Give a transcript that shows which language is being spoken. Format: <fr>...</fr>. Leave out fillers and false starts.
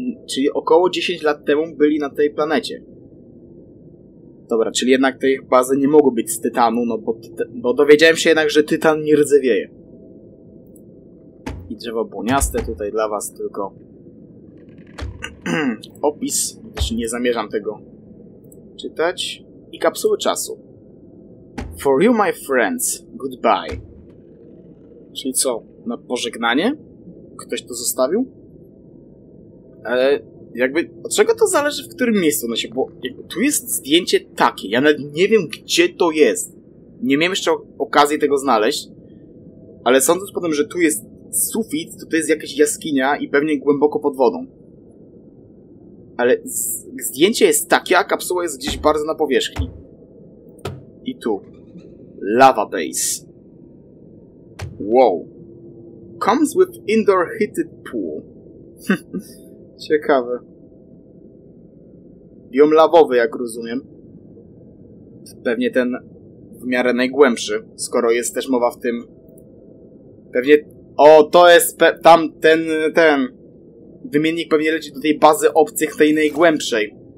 <pl>Czyli około 10 lat temu byli na tej planecie. Dobra, czyli jednak tej bazy nie mogły być z tytanu, no bo dowiedziałem się jednak, że tytan nie rdzewieje. I drzewo błoniaste tutaj dla was tylko... opis, gdyż nie zamierzam tego czytać. I kapsuły czasu.</pl> <en>For you, my friends, goodbye.</en> <pl>Czyli co, na pożegnanie? Ktoś to zostawił? Ale jakby, od czego to zależy, w którym miejscu ono się... Bo jakby, tu jest zdjęcie takie, ja nawet nie wiem, gdzie to jest. Nie miałem jeszcze okazji tego znaleźć. Ale sądząc potem, że tu jest sufit, to to jest jakaś jaskinia i pewnie głęboko pod wodą. Ale zdjęcie jest takie, a kapsuła jest gdzieś bardzo na powierzchni. I tu. Lava Base. Wow.</pl> <en>Comes with indoor heated pool.</en> <pl>Ciekawe. Biom lawowy, jak rozumiem. Pewnie ten w miarę najgłębszy, skoro jest też mowa w tym. Pewnie... O, to jest ten wymiennik pewnie leci do tej bazy obcych, tej najgłębszej.</pl>